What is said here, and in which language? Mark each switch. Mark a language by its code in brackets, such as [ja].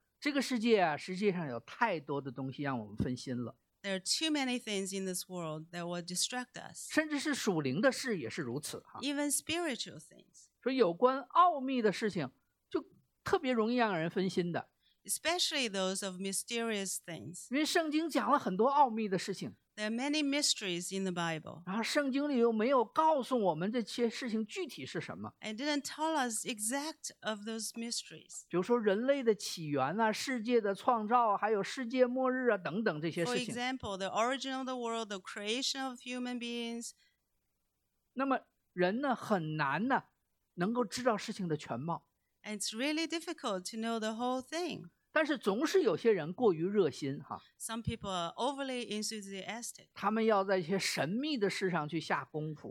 [zh] 这个世界啊，实际上有太多的东西让我们分心了。 [en] There are too many things in this world that will distract us. [zh] 甚至是属灵的事也是如此。 [en] Even spiritual things. [zh] 所以有关奥秘的事情就特别容易让人分心的。 [en] Especially those of mysterious things. [zh] 因为圣经讲了很多奥秘的事情。 [en] There are many mysteries in the Bible. [zh] 然后圣经里又没有告诉我们这些事情具体是什么。 [en] And didn't tell us exact of those mysteries. [zh] 比如说人类的起源啊，世界的创造，还有世界末日啊等等这些事情。 [en] For example, the origin of the world, the creation of human beings. [zh] 那么人呢，很难呢，能够知道事情的全貌。 [en] And it's really difficult to know the whole thing. [zh] 但是总是有些人过于热心哈。 [en] Some people are overly enthusiastic. [zh] 他们要在一些神秘的事上去下功夫。